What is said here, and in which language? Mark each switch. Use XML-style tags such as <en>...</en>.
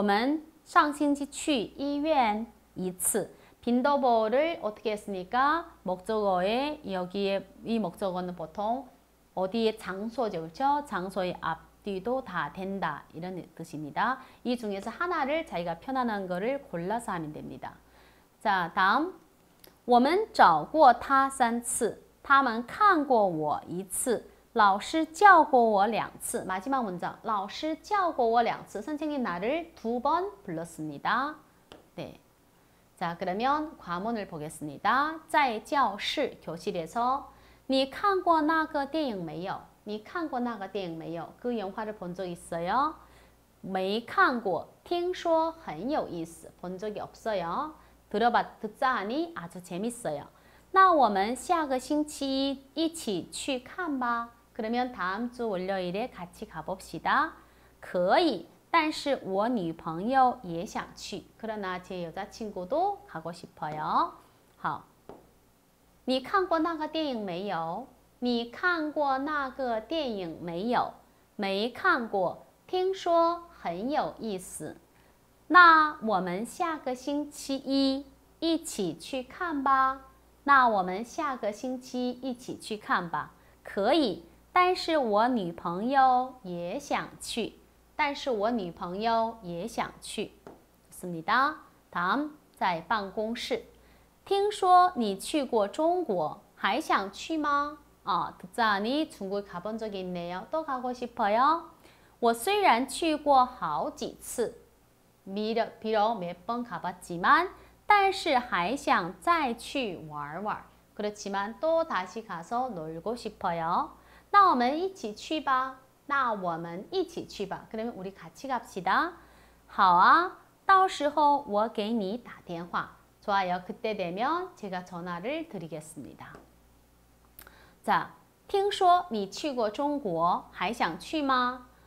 <zh>我们来过中国一次,我们上星期去医院一次.</zh> <ko>빈도보를 어떻게 했습니까? 목적어에 여기에 이 목적어는 보통 어디에 장소죠, 그렇죠? 장소의 앞뒤도 다 된다 이런 뜻입니다. 이 중에서 하나를 자기가 편안한 거를 골라서 하면 됩니다. 자, 다음.</ko> <zh>我们找过他三次,他们看过我一次. 老师叫过我两次.마지막 문장. 老师叫过我两次.</zh> <ko>선생님 나를 두 번 불렀습니다. 네. 자, 그러면 과문을 보겠습니다.</ko> <zh>在教室,</zh> <ko>교실에서</ko> <zh>你看过那个电影没有? 你看过那个电影没有?</zh> <ko>그 영화를 본 적 있어요?</ko> <zh>没看过.听说很有意思.</zh> <ko>본 적이 없어요. 듣자하니 아주 재밌어요.</ko> <zh>那我们下个星期一起去看吧.</zh> <ko>그러면 다음 주 월요일에 같이 가봅시다.</ko> <zh>可以, 但是我女朋友也想去.</zh> <ko>그러나 제 여자친구도 가고 싶어요.</ko> <zh>好.你看过那个电影没有? 你看过那个电影没有?没看过, 听说很有意思. 那我们下个星期一一起去看吧. 那我们下个星期一起去看吧.可以, 但是我女朋友也想去,但是我女朋友也想去.</zh> <ko>좋습니다. 다음,</ko> <zh>在办公室. 听说你去过中国,还想去吗?</zh> <ko>듣자니 중국 가본 적이 있네요. 또 가고 싶어요.</ko> <zh>我虽然去过好几次,</zh> <ko>비록 몇 번 가봤지만,</ko> <zh>但是还想再去玩玩.</zh> <ko>그렇지만 또 다시 가서 놀고 싶어요.</ko> <zh>那我们一起去吧.那我们一起去吧.</zh> <ko>그러면 우리 같이 갑시다.</ko> <zh>好啊.到时候我给你打电话.</zh> <ko>좋아요. 그때 되면 제가 전화를 드리겠습니다.</ko> <zh>자, 听说你去过中国,还想去吗?</zh>